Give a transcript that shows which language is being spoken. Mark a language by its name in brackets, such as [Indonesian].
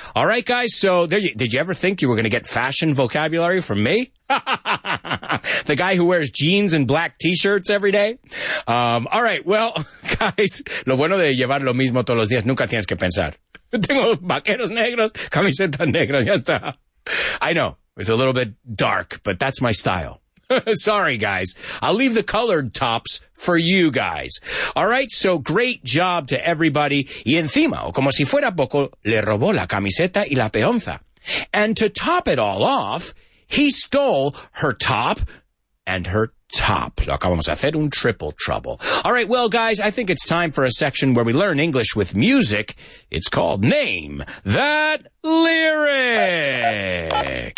[English] All right, guys, so there you, did you ever think you were going to get fashion vocabulary from me? The guy who wears jeans and black t-shirts every day? All right, well, guys, [Spanish] lo bueno de llevar lo mismo todos los días, nunca tienes que pensar. Tengo vaqueros negros, camisetas negras, ya está. [English] I know, it's a little bit dark, but that's my style. Sorry, guys. I'll leave the colored tops for you guys. All right, so great job to everybody. [Spanish] Y encima, o como si fuera poco, le robó la camiseta y la peonza. [English] And to top it all off, he stole her top and her top. [Spanish] Lo acabamos de hacer, un triple trouble. [English] All right, well, guys, I think it's time for a section where we learn English with music. It's called Name That Lyric.